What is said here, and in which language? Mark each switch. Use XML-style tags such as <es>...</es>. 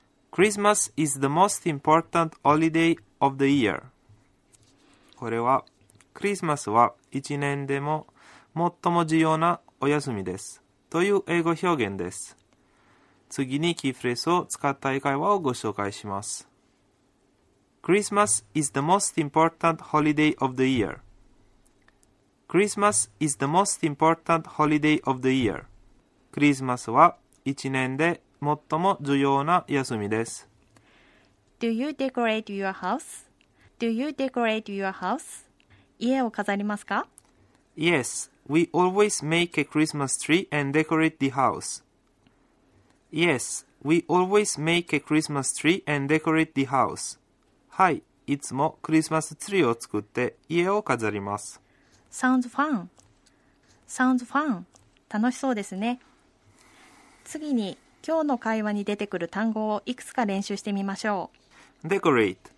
<en>Christmas is the most important holiday of the year.</en> <ja>これは、クリスマスは一年でも最も重要なお休みです。という英語表現です。次にキーフレーズを使った英会話をご紹介します。</ja> <en>Christmas is the most important holiday of the year. Christmas is the most important holiday of the year.</en> <ja>クリスマスは一年で最も重要な休みです。</ja> <en>Do you decorate your house? Do you decorate your house?</en> <ja>家を飾りますか?</ja> <en>Yes, we always make a Christmas tree and decorate the house. Yes, we always make a Christmas tree and decorate the house.</en> <ja>はい、いつもクリスマスツリーを作って家を飾ります。</ja> <en>Sounds fun. Sounds fun.</en> <ja>楽しそうですね。次に、今日の会話に出てくる単語をいくつか練習してみましょう。</ja> <en>Decorate.</en>